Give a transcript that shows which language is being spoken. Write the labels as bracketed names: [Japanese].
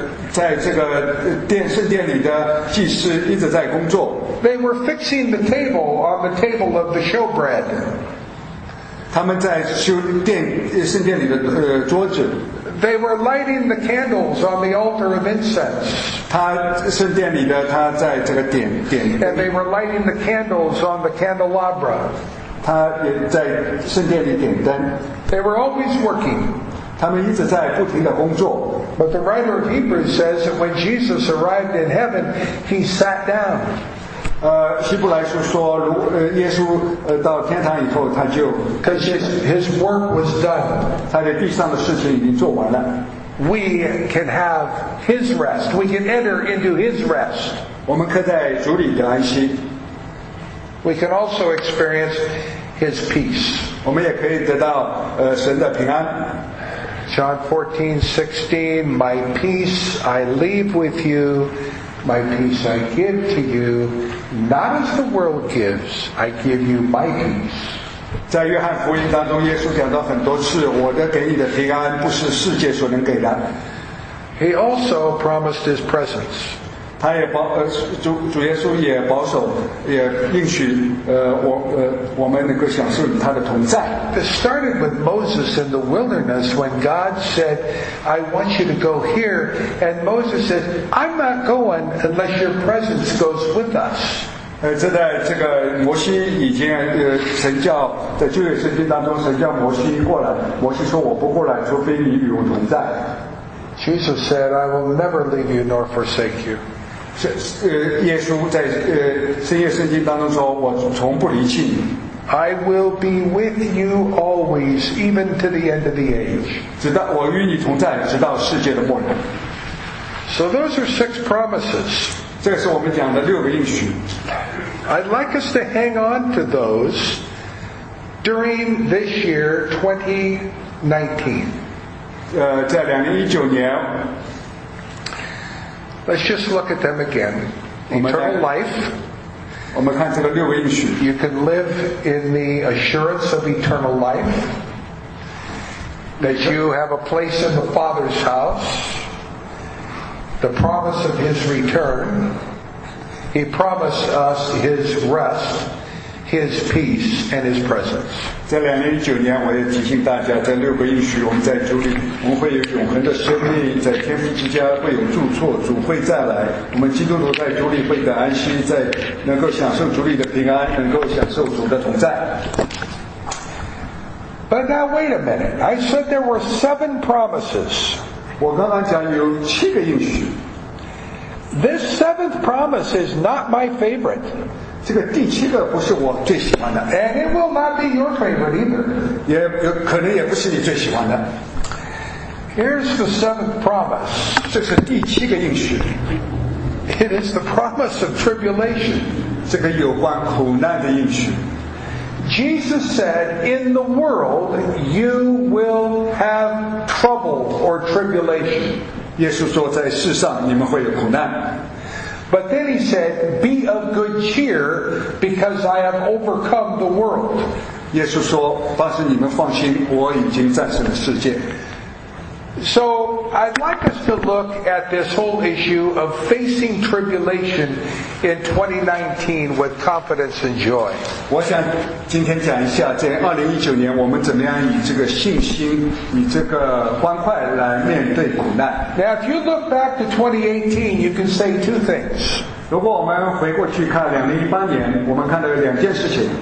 [Chinese] 在这个圣殿里的祭司一直在工作。 [English] They were fixing the table on the table of the showbread. [Chinese] 他们在修圣殿里的桌子。 [English] They were lighting the candles on the altar of incense. [Chinese] 他圣殿里的他在这个点。 [English] And they were lighting the candles on the candelabra. [Chinese] 他也在圣殿里点灯。 [English] They were always working. [Chinese] 他们一直在不停的工作。 [English] But the writer of Hebrews says that when Jesus arrived in heaven, he sat down. [Chinese] 希伯来书说，耶稣到天堂以后，他就 [English] because his work was done. [Chinese] 他在地上的事情已经做完了。 [English] We can have his rest. We can enter into his rest. [Chinese] 我们可在主里的安息。 [English] We can also experience his peace. [Chinese] 我们也可以得到神的平安。 [English] John 14:16, My peace I leave with you. My peace I give to you, not as the world gives, I give you my peace. [Chinese] 在约翰福音当中，耶稣讲到很多次，我的给你的平安不是世界所能给的。 [English] He also promised his presence. [Chinese] 他也主耶稣也保守，也应许我们能够享受他的同在。 [English] It started with Moses in the wilderness when God said, I want you to go here. And Moses said, I'm not going unless your presence goes with us. [Chinese] 这在这个摩西已经神叫在旧约圣经当中神叫摩西过来，摩西说我不过来，除非你与我同在。 [English] Jesus said, I will never leave you nor forsake you. [Chinese] 耶稣在新约圣经当中说，我从不离弃你。 [English] I will be with you always, even to the end of the age. [Chinese] 直到我与你同在，直到世界的末日。 [English] So those are six promises. [Chinese] 这是我们讲的六个应许。 [English] I'd like us to hang on to those during this year, 2019. [Chinese] 在2019年。 [English] Let's just look at them again. Eternal life. [Chinese] 我们看这个六个应许。 [English] You can live in the assurance of eternal life. That you have a place in the Father's house. The promise of his return. He promised us his rest, his peace, and his presence. [Chinese] 在2019年，我也提醒大家，这六个应许，我们在主里，我们会有永恒的生命，在天父之家会有住处，主会再来，我们基督徒在主里会得安息，在能够享受主里的平安，能够享受主的同在。 [English] But now wait a minute. I said there were seven promises. [Chinese] 我刚刚讲有七个应许。 [English] This seventh promise is not my favorite. [Chinese] 这个第七个不是我最喜欢的。 [English] And it will not be your favorite either. [Chinese] 也可能也不是你最喜欢的。 [English] Here's the seventh promise. [Chinese] 这是第七个应许。 [English] It is the promise of tribulation. [Chinese] 这个有关苦难的应许。 [English] Jesus said, in the world, you will have trouble or tribulation. [Chinese] 耶稣说在世上你们会有苦难。 [English] But then he said, be of good cheer because I have overcome the world. [Chinese] 耶稣说，但是你们放心，我已经战胜了世界。 [English] So, I'd like us to look at this whole issue of facing tribulation in 2019 with confidence and joy. [Chinese] 我想今天讲一下在2019年我们怎么样以这个信心以这个欢快来面对苦难。 [English] Now, if you look back to 2018, you can say two things. [Chinese] 如果我们回过去看2018年，我们看到有两件事情。